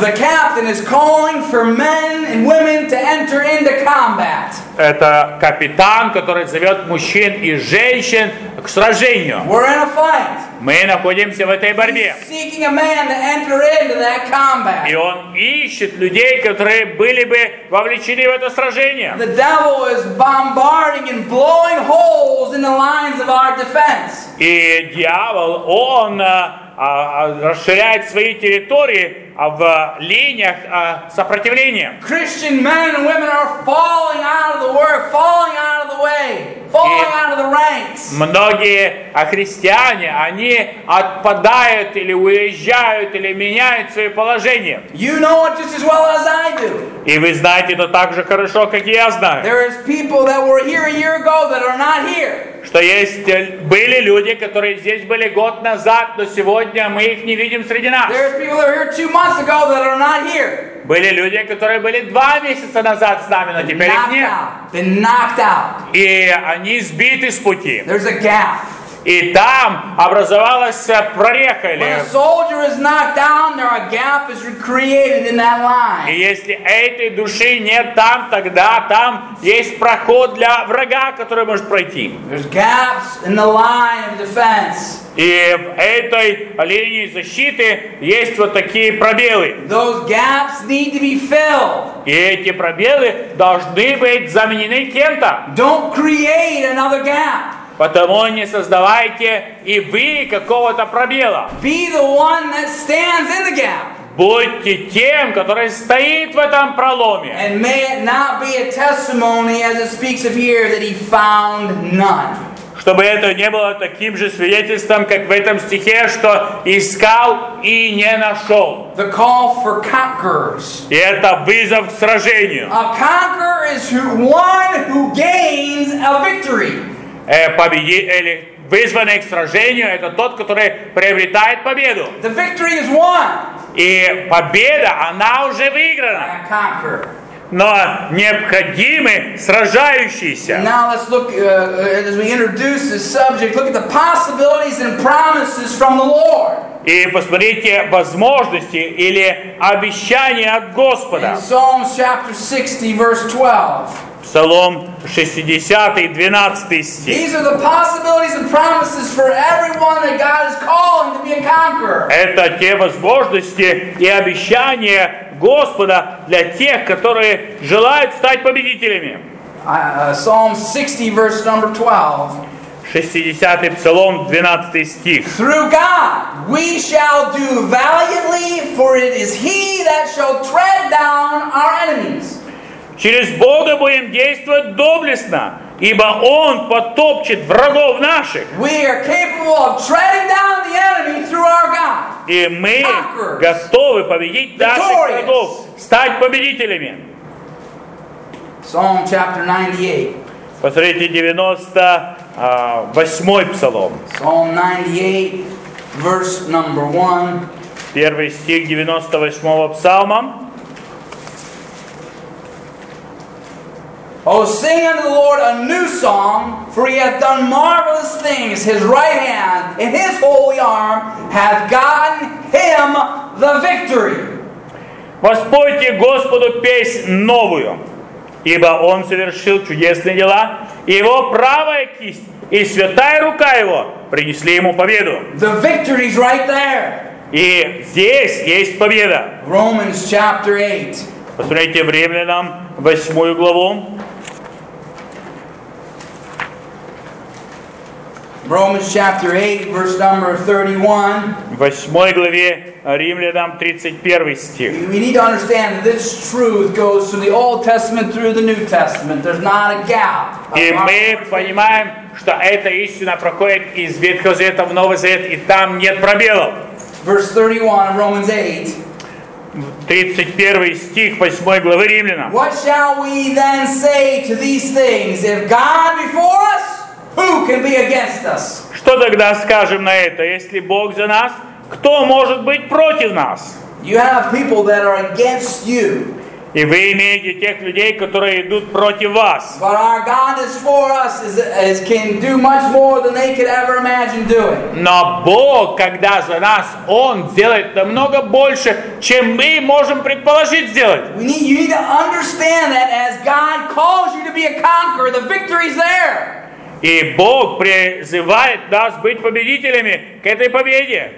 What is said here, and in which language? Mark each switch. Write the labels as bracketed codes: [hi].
[en] The captain is calling for men and women to enter into combat. [ru] Это капитан, который зовет мужчин и женщин к сражению. [en] We're in a fight. [ru] Мы находимся в этой борьбе. [en] He's seeking a man to enter into that combat. [ru] И он ищет людей, которые были бы вовлечены в это сражение. [en] The devil is bombarding and blowing holes in the lines of our defense. [ru] И дьявол, он расширяет свои территории в линиях сопротивления. [en] Christian men and women are falling out of the world, falling out of the way, falling out of the ranks. [ru] Многие христиане, они отпадают или уезжают или меняют свое положение. [en] You know it just as well as I do. [ru] И вы знаете это так же хорошо, как я знаю. [en] There is people that were here a year ago that are not here. [ru] Что есть, были люди, которые здесь были год назад, но сегодня мы их не видим среди нас. [en] There are people that were here 2 months ago that are not here. [ru] Были люди, которые были 2 месяца назад с нами, но теперь их нет. [en] Been knocked out. [ru] И они сбиты с пути. [en] There's a gap. [ru] И там образовалась прореха. [en] When a soldier is knocked down, there a gap is recreated in that line. [ru] И если этой души нет там, тогда там есть проход для врага, который может пройти. [en] There's gaps in the line of defense. [ru] И в этой линии защиты есть вот такие пробелы. [en] Those gaps need to be filled. [ru] И эти пробелы должны быть заменены кем-то. [en] Don't create another gap. [ru] Потому не создавайте и вы какого-то пробела. [en] Be the one that stands in the gap. [ru] Будьте тем, который стоит в этом проломе. [en] And may it not be a testimony as it speaks of here that he found none. [ru] Чтобы это не было таким же свидетельством, как в этом стихе, что искал и не нашел. [en] The call for conquerors. [ru] И это вызов к сражению. [en] A conqueror is one who gains a victory. [ru] Победитель, вызванный к сражению, это тот, который приобретает победу. [en] The victory is won. [ru] И победа, она уже выиграна. [en] A conqueror. [ru] Но необходимы сражающиеся. [en] Now let's look, as we introduce this subject, look at the possibilities and promises from the Lord. [ru] И посмотрите возможности или обещания от Господа. [en] In Psalms chapter 60, verse 12. [ru] Псалом 60, 12 стих. [en] These are the possibilities and promises for everyone that God is calling to be a conqueror. [ru] Это те возможности и обещания Господа для тех, которые желают стать победителями. [en] Psalm 60, verse number 12. [ru] 60-й Псалом, 12 стих. [en] Through God we shall do valiantly, for it is He that shall tread down our enemies. [ru] Через Бога будем действовать доблестно, ибо Он потопчет врагов наших. [en] We are capable of treading down the enemy through our God. [ru] И мы готовы победить наших врагов, стать победителями. [en] Psalm chapter 98. [ru] Посмотрите 98-й Псалом. [en] Psalm 98, verse number 1. [ru] Первый стих 98-го Псалма. [en] Oh, sing unto the Lord a new song, for he hath done marvelous things. His right hand and his holy arm hath gotten him the victory. [ru] Воспойте Господу песнь новую, ибо он совершил чудесные дела. Его правая кисть и святая рука его принесли ему победу. [en] The victory's right there. [ru] И здесь есть победа. [en] Romans chapter 8. [ru] Посмотрите в Римлянам 8 главу. [en] Romans chapter 8, verse number 31. [ru] В 8 главе Римлянам 31 стих. [en] We need to understand that this truth goes from the Old Testament through the New Testament. There's not a gap. [ru] И мы понимаем, что эта истина проходит из Ветхого Завета в Новый Завет, и там нет пробелов. [en] Verse 31 of Romans 8. [ru] 31 стих 8 главы Римлянам. [en] What shall we then say to these things? If God before us, who can be against us? [ru] Что тогда скажем на это? Если Бог за нас, кто может быть против нас? [en] You have people that are against you. [ru] И вы имеете тех людей, которые идут против вас. [en] But our God is for us, is can do much more than they could ever imagine doing. [ru] Но Бог, когда за нас, Он делает намного больше, чем мы можем предположить сделать. [en] You need to understand that as God calls you to be a conqueror, the victory is there. [ru] И Бог призывает нас быть победителями к этой победе.